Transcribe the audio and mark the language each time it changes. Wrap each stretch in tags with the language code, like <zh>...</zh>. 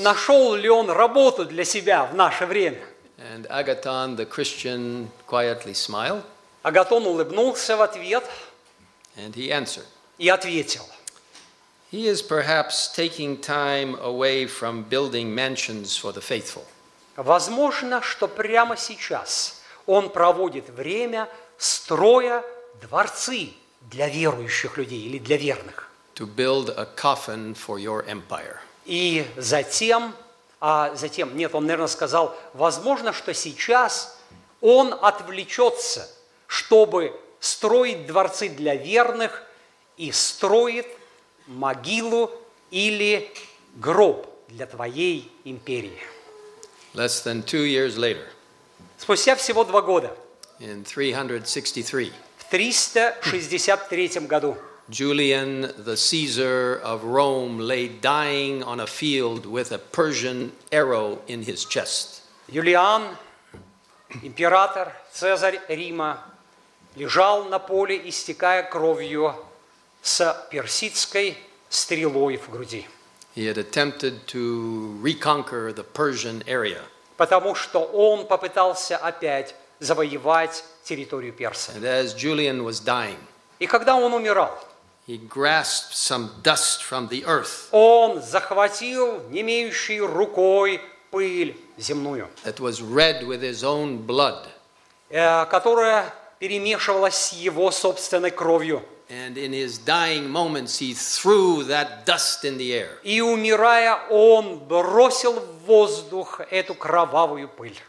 <ru>Нашел ли он работу для себя в наше время?</ru> <en>And Agathon, the Christian, quietly smiled.</en> <ru>Агатон улыбнулся в ответ.</ru> <en>And he answered.</en> <ru>И ответил.</ru> <en>He is perhaps taking time away from building mansions for the faithful.</en> <ru>Возможно, что прямо сейчас он проводит время, строя дворцы для верующих людей или для верных.</ru> <en>To build a coffin for your empire.</en> <ru>И затем, он, наверное, сказал, возможно, что сейчас он отвлечется, чтобы строить дворцы для верных и строит могилу или гроб для твоей империи.</ru> <en>Less than 2 years later.</en> <ru>Спустя всего 2 года.</ru> <en>In 363.</en> <ru>В 363 году.</ru> <en>Julian, the Caesar of Rome, lay dying on a field with a Persian arrow in his chest.</en> <ru>Юлиан, император, Цезарь Рима, лежал на поле, истекая кровью, с персидской стрелой в груди.</ru> <en>He had attempted to reconquer the Persian area.</en> <ru>Потому что он попытался опять завоевать территорию Персии.</ru> <en>And as Julian was dying,</en> <ru>и когда он умирал,</ru> <en>he grasped some dust from the earth.</en> <ru>Он захватил не имеющей рукой пыль земную.</ru> <en>It was red with his own blood.</en> <ru>Которая перемешивалась с его собственной кровью.</ru> <en>And in his dying moments, he threw that dust in the air.</en> <ru>И умирая, он бросил в воздух эту кровавую пыль.</ru>